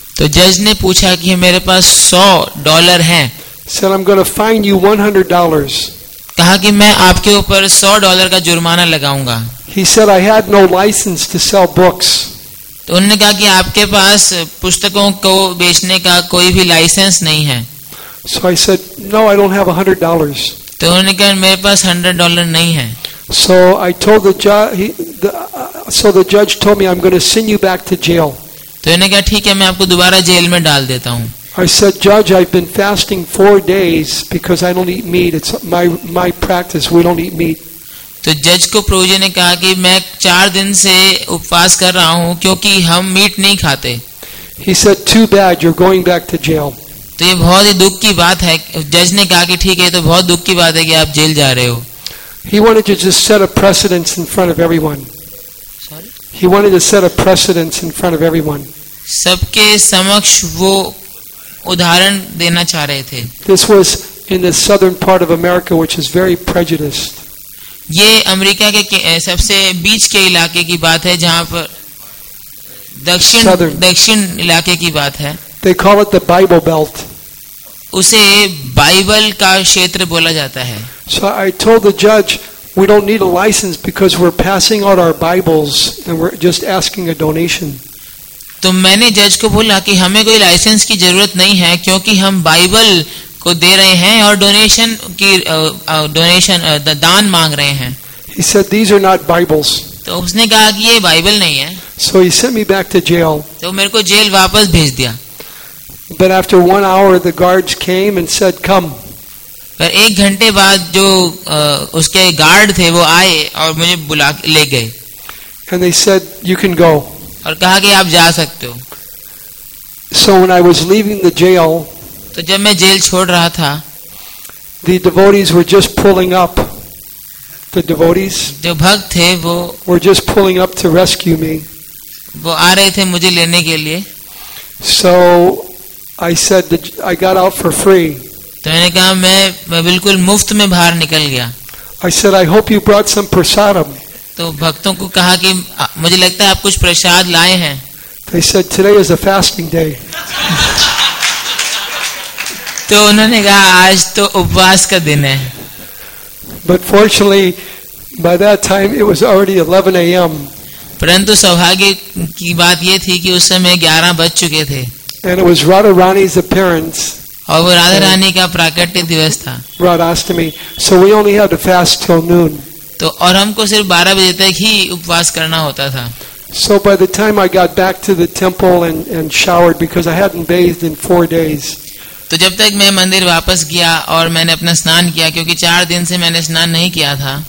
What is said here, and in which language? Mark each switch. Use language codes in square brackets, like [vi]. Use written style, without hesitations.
[hi] तो जज ने पूछा कि मेरे पास $100 हैं. [en] Said I'm going to fine you $100. [hi] कहा कि मैं आपके ऊपर $100 का जुर्माना लगाऊंगा. [en] He said I had no license to sell books. [hi] तो उन्होंने कहा कि आपके पास पुस्तकों को बेचने का कोई भी लाइसेंस नहीं है. [en] So I said no, I don't have $100. [hi] तो उन्होंने कहा मेरे पास $100 नहीं है. [en] So I told the judge told me I'm going to send you back to jail. [hi] तो उन्होंने कहा ठीक है, मैं आपको दोबारा जेल में डाल देता हूं. [en] I said judge, I've been fasting 4 days because I don't eat meat. It's my practice, we don't eat meat. [hi] तो जज को प्रोजे ने कहा कि मैं 4 दिन से उपवास कर रहा हूं क्योंकि हम मीट नहीं खाते. [en] He said too bad, you're going back to jail. [hi] तो ये बहुत ही दुख की बात है. जज ने कहा कि ठीक है, तो बहुत दुख की बात है कि आप जेल जा रहे हो. [en] He wanted to just set a precedence in front of everyone. Sorry? He wanted to set a precedence in front of everyone. [hi] सबके समक्ष वो उदाहरण देना चाह रहे थे. [en] This was in the southern part of America, which is very prejudiced. [hi] ये America के सबसे बीच के इलाके की बात है, जहाँ पर दक्षिण इलाके की बात है. [en] They call it the Bible Belt. [hi] उसे बाइबल का क्षेत्र बोला जाता है. [en] So I told the judge, We don't need a license because we're passing out our Bibles and we're just asking a donation. [hi] तो मैंने जज को बोला कि हमें कोई लाइसेंस की जरूरत नहीं है क्योंकि हम बाइबल को दे रहे हैं और डोनेशन की डोनेशन दान मांग रहे हैं. [en] He said these are not Bibles. [hi] तो उसने कहा कि ये बाइबल नहीं है. [en] So he sent me back to jail. [hi] तो मेरे को जेल वापस भेज दिया. [en] But after 1 hour, the guards came and said, "Come." [hi] पर एक घंटे बाद जो उसके गार्ड थे वो आए और मुझे बुला ले गए. [en] And they said, "You can go." [hi] और कहा कि आप जा सकते हो. [en] So when I was leaving the jail, [hi] तो जब मैं जेल छोड़ रहा था, [en] the devotees were just pulling up. The devotees [hi] जो भक्त थे वो [en] were just pulling up to rescue me. [hi] वो आ रहे थे मुझे लेने के लिए. [en] So I said that I got out for free. [hi] तो मैंने कहा मैं बिल्कुल मुफ्त में बाहर निकल गया. [en] I said I hope you brought some prasadam. [hi] तो भक्तों को कहा कि मुझे लगता है आप कुछ प्रसाद लाए हैं. [en] They said today is a fasting day. [hi] तो उन्होंने कहा आज तो उपवास का दिन है. [en] But fortunately, by that time it was already 11 a.m. [hi] परंतु सौभाग्य की बात ये थी कि उस समय 11 बज चुके थे. [en] And it was Radha Rani's appearance. [hi] और वो राधा रानी का प्राकट्य दिवस था. [en] Radhashtami. So we only had to fast till noon. [hi] तो और हमको सिर्फ 12 बजे तक ही उपवास करना होता था. [en] So by the time I got back to the temple and showered because I hadn't bathed in 4 days. [hi] तो जब तक मैं मंदिर वापस गया और मैंने अपना स्नान किया क्योंकि 4 दिन से मैंने स्नान नहीं किया था.